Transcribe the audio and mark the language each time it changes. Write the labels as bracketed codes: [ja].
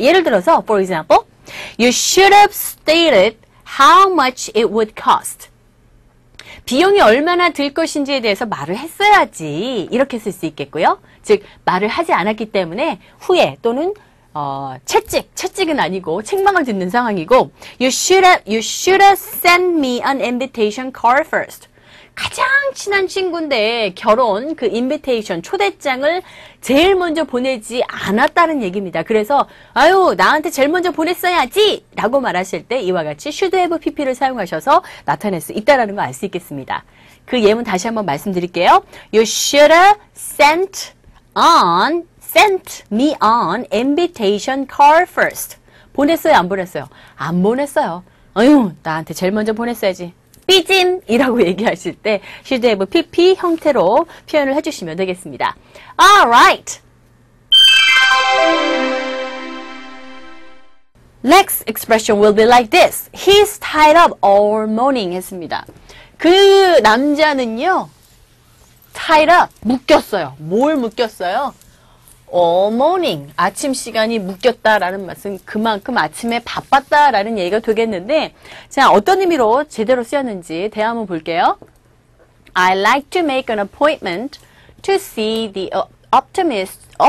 [ko] 예를 들어서, [en] for example, you should have stated how much it would cost. [ko] 비용이 얼마나 들 것인지에 대해서 말을 했어야지, 이렇게 쓸수 있겠고요. 즉, 말을 하지 않았기 때문에 후회 또는 채찍은 아니고 책망을 듣는 상황이고 [en] you should have sent me an invitation card first. [ko] 가장 친한 친구인데 결혼 그 invitation 초대장을 제일 먼저 보내지 않았다는 얘기입니다. 그래서 아유 나한테 제일 먼저 보냈어야지 라고 말하실 때 이와 같이 should have PP를 사용하셔서 나타낼 수 있다는 거알수 있겠습니다. 그 예문 다시 한번 말씀드릴게요. [en] You should have sent on Sent me on invitation card first. [ko] 보냈어요? 안 보냈어요? 안 보냈어요. 어휴, 나한테 제일 먼저 보냈어야지. 삐짐! 이라고 얘기하실 때 should have PP 형태로 표현을 해주시면 되겠습니다. [en] Alright! Next expression will be like this. He stayed up all morning 했습니다. [ko] 그 남자는요, tied up, 묶였어요. 뭘 묶였어요? [en] All morning. [ko] 아침 시간이 묶였다라는 말씀, 그만큼 아침에 바빴다라는 얘기가 되겠는데, 자, 어떤 의미로 제대로 쓰였는지 대화 한번 볼게요. [en] I like to make an appointment to see the optometrist